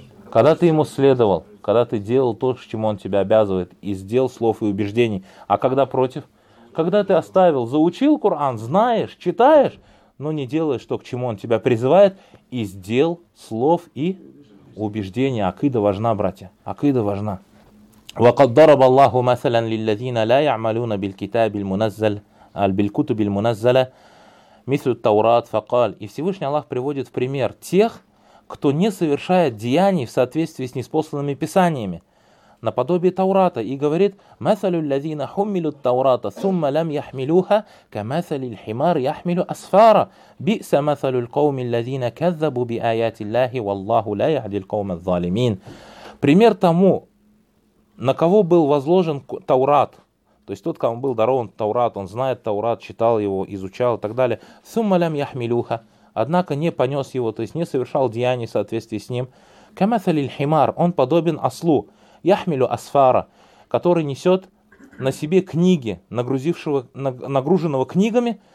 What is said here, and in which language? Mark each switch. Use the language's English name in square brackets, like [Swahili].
[Russian] Когда ты ему следовал, когда ты делал то, к чему он тебя обязывает, и сделал слов и убеждений. А когда против? Когда ты оставил, заучил Коран, знаешь, читаешь, но не делаешь то, к чему он тебя призывает, и сделал слов и убеждений. Акида важна, братья. Акида важна. [Arabic] وقد ضرب الله مثلا للذين لا يعملون بالكتاب المنزل بالكتب المنزلة مثل التوراة فقال. [Russian] И Всевышний Аллах приводит в пример тех, кто не совершает деяний в соответствии с ниспосланными писаниями, наподобие Таурата, и говорит: [Arabic] مثَلُ الَّذِينَ حُمِلُوا التَّوْرَاةَ ثُمَّ لَمْ يَحْمِلُوهَا كَمَثَلِ الْحِمَارِ يَحْمِلُ أَسْفَارًا بِئْسَ مَثَلُ الْقَوْمِ الَّذِينَ كَذَّبُوا بِآيَاتِ اللَّهِ وَاللَّهُ لَا يَهْدِي الْقَوْمَ الظَّالِمِينَ. [Russian] Пример тому, на кого был возложен Таурат, то есть тот, кому был дарован Таурат, он знает Таурат, читал его, изучал и так далее. [Arabic] «Сумма лям яхмилюха», [Russian] однако не понес его, то есть не совершал деяний в соответствии с ним. [Arabic] «Камэталиль химар», [Russian] он подобен ослу, [Arabic] «яхмилю асфара», [Russian] который несет на себе книги, нагруженного книгами.